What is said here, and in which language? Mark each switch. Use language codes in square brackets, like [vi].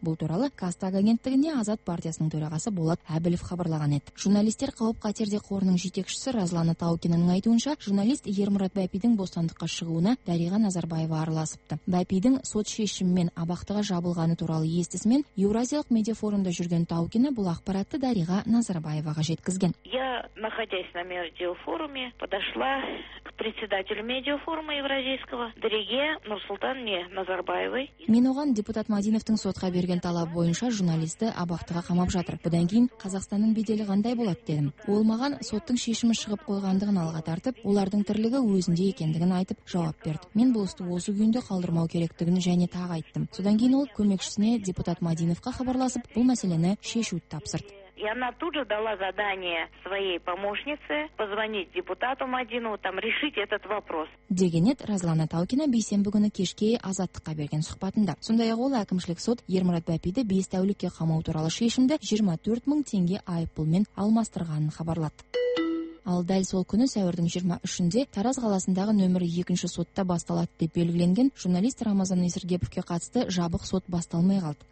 [kk] Бұл туралы Қазтаг агенттігіне Азат партиясының төрағасы Болат Әбілов хабарлаған еді. Журналистер қауіп-қатерде қорының жетекшісі Разлана Таукинаның айтуынша, журналист Ермұрат Бәпидің бостандыққа шығуына Дариға Назарбаева араласыпты. Бәпидің сот шешімімен абақтыға жабылғаны туралы естісімен, Еуразиялық медиафорумда жүрген Таукина бұл ақпаратты Дариға Назарбаеваға жеткізген. [ru] Я, находясь на медиафоруме, подошла к председателю медиафорума Евразийского, Дариге Нурсултанне Назарбаевой. [kk] Мен оған депутат Мадиновтың сотқа берген талап бойынша журналисті абақтыға қамап жатыр. Бұдан кейін Қазақстанның беделі қандай болады дедім. Ол маған соттың шешімі шығып қойғандығын алға тартып, олардың тірлігі өзінде екендігін айтып жауап берді. Мен бұл істі осы күйінде қалдырмау керектігін және тағы айттым. Содан кейін ол көмекшісіне депутат Мадиновқа хабарласып, бұл мәселені шешуді тапсырды. [ru] И она тут же дала задание своей помощнице позвонить депутату Мадину, там решить этот вопрос. [kk] Дегенет Разлана Таукина бейсенбі күні кешке азаттыққа берген сұхбатында. Сондай-ақ ол әкімшілік сот Ермұрат Бәпиді 5 тәулікке қамау туралы шешімді 24 мың теңге айыппұлмен алмастырғанын хабарлады. Ал дәл сол күні сәуірдің 23-інде Тараз қаласындағы нөмірі 2-ші сотта басталады деп белгіленген журналист Рамазан Есіргеповке қатысты жабық сот басталмай қалды.